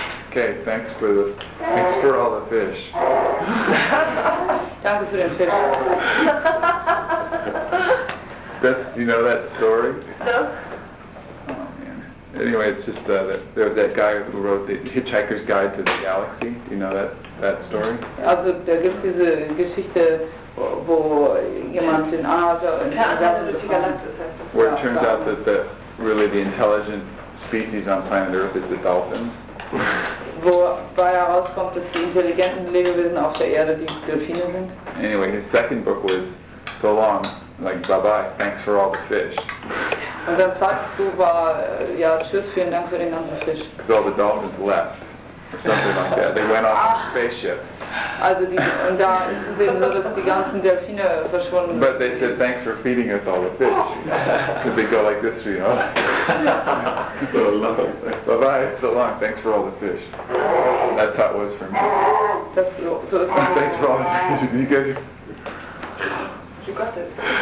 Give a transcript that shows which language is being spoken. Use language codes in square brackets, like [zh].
[en] Okay, thanks for the, thanks for all the fish. [de] Danke für den Fisch. [en] Beth, do you know that story? No. Oh, man. Anyway, it's just that there was that guy who wrote The Hitchhiker's Guide to the Galaxy. Do you know that story? [de] Also, da gibt's diese Geschichte, wo jemand in Asia und in der Galaxie heißt. [en] Where it turns out that really the intelligent species on planet Earth is the dolphins. [de] Wobei herauskommt, dass die intelligenten Lebewesen auf der Erde die Delfine sind. [en] Anyway, his second book was So Long, like bye-bye, thanks for all the fish. [de] Und sein zweites Buch war, ja, tschüss, vielen Dank für den ganzen Fisch. [en] Because all the dolphins left, or something like that. They went off on a spaceship. [de] Also die, und da ist es eben so, dass die ganzen Delfine verschwunden sind. [en] But they said, thanks for feeding us all the fish. Because they go like this, you know. So long. Bye-bye, so long, thanks for all the fish. That's how it was for me. That's so, so oh, thanks for all the fish. You guys are... You got it.